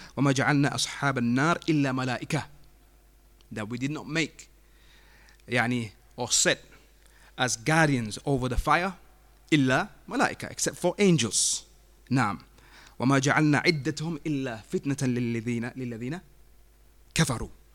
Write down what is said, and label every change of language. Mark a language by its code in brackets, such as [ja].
[ar] وما جعلنا أصحاب النار إلا ملائكة. [en] That we did not make, or set as guardians over the fire. [ar] إلا ملائكة, [en] except for angels. نعم. [ar] وما جعلنا عدتهم إلا فتنة للذين كفروا.